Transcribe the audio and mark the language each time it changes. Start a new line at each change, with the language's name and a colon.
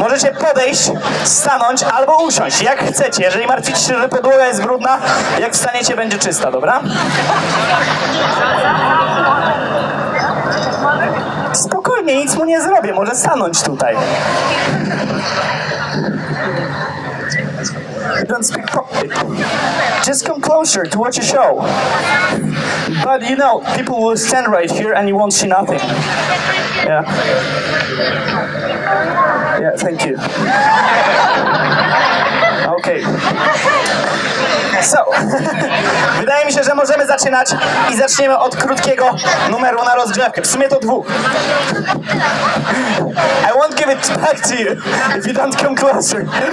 Polish: Możecie podejść, stanąć albo usiąść, jak chcecie. Jeżeli martwicie się, że podłoga jest brudna, jak wstaniecie, będzie czysta, dobra? Spokojnie, nic mu nie zrobię, może stanąć tutaj.
English: You don't speak properly. Just come closer to watch a show. But you know, people will stand right here and you won't see nothing. Yeah. Yeah, thank you. Okay.
Polish: So, wydaje mi się, że możemy zaczynać i zaczniemy od krótkiego numeru na rozgrzewkę. W sumie to dwóch.
English: I won't give it back to you if you don't come closer.